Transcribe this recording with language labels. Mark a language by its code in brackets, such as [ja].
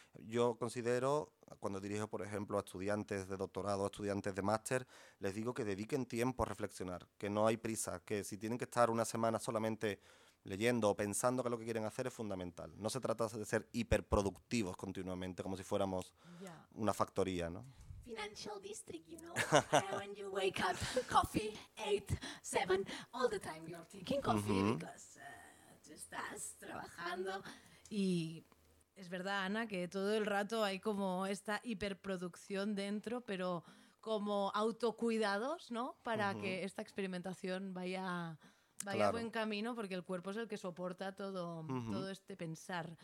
[es] Yo considero, cuando dirijo, por ejemplo, a estudiantes de doctorado, a estudiantes de máster, les digo que dediquen tiempo a reflexionar, que no hay prisa, que si tienen que estar una semana solamente leyendo o pensando que lo que quieren hacer es fundamental. No se trata de ser hiperproductivos continuamente, como si fuéramos una factoría, ¿no? [en] Financial district, you know, when you wake up, coffee, 8, 7, all the time you're taking coffee, because [es] tú estás trabajando. Y es verdad, Ana, que todo el rato hay como esta hiperproducción dentro, pero como autocuidados, ¿no? Para que esta experimentación vaya claro, buen camino, porque el cuerpo es el que soporta todo, todo este pensar.